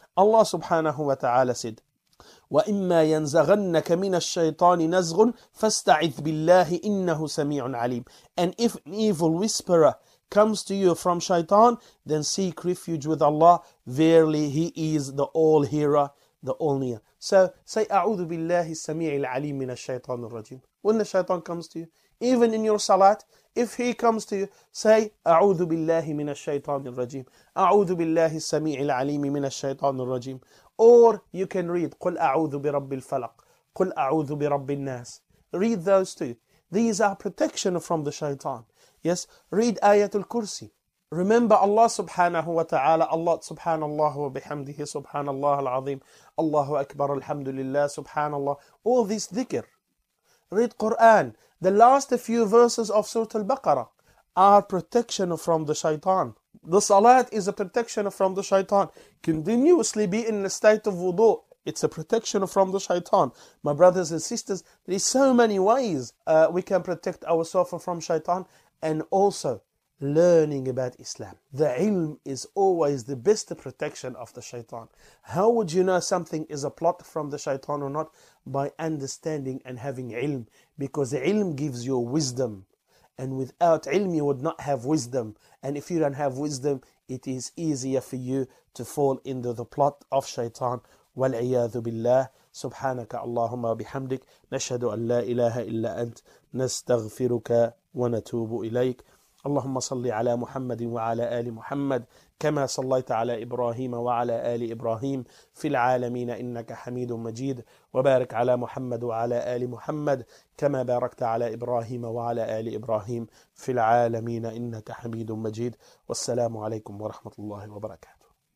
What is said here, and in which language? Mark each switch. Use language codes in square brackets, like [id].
[en] Allah subhanahu wa ta'ala said, [ar] وَإِمَّا يَنْزَغَنَّكَ مِنَ الشَّيْطَانِ نَزْغٌ فَاسْتَعِذْ بِاللَّهِ إِنَّهُ سَمِيعٌ عَلِيمٌ [en] And if an evil whisperer comes to you from shaitan, then seek refuge with Allah. Verily, he is the all-hearer, the all-near. So, say, [ar] أَعُوذُ بِاللَّهِ السَّمِيعِ الْعَلِيمِ مِنَ الشَّيْطَانِ الرَّجِيمِ [en] When the shaitan comes to you, even in your salat, if he comes to you, say, [ar] أَعُوذُ بِاللَّهِ مِنَ الشَّيْطَانِ الرَّجِيمِ أَعُوذُ بِاللَّهِ السَّمِيعِ الْعَلِيمِ مِنَ الشَّيْطَانِ الرَّجِيمِ [en] Or you can read, [ar] قُلْ أَعُوذُ بِرَبِّ الْفَلَقِ قُلْ أَعُوذُ بِرَبِّ النَّاسِ [en] Read those two. These are protection from the shaitan. Yes, read Ayatul Kursi. Remember Allah subhanahu wa ta'ala, Allah subhanallah wa bihamdihi subhanallah al-azim, Allahu Akbar alhamdulillah subhanallah. All this dhikr. Read Quran. The last few verses of Surah Al-Baqarah are protection from the shaitan. The salat is a protection from the shaitan. Continuously be in a state of wudu. It's a protection from the shaitan. My brothers and sisters, there is so many ways we can protect ourselves from shaitan. And also, learning about Islam. The ilm is always the best protection of the shaitan. How would you know something is a plot from the shaitan or not? By understanding and having ilm. Because ilm gives you wisdom. And without ilm, you would not have wisdom. And if you don't have wisdom, it is easier for you to fall into the plot of shaitan. [ar] وَالْعِيَاذُ بِاللَّهِ سُبْحَانَكَ اللَّهُمَّ وَبِحَمْدِكَ نَشْهَدُ أَنْ لَا إِلَهَ إِلَّا أَنْتَ نَسْتَغْفِرُكَ وَنَتُوبُ إِلَيْكَ اللهم صل على محمد وعلى آل محمد كما صليت على إبراهيم وعلى آل إبراهيم في العالمين إنك حميد مجيد وبارك على محمد وعلى آل محمد كما باركت على إبراهيم وعلى آل إبراهيم في العالمين إنك حميد مجيد والسلام عليكم ورحمة الله وبركاته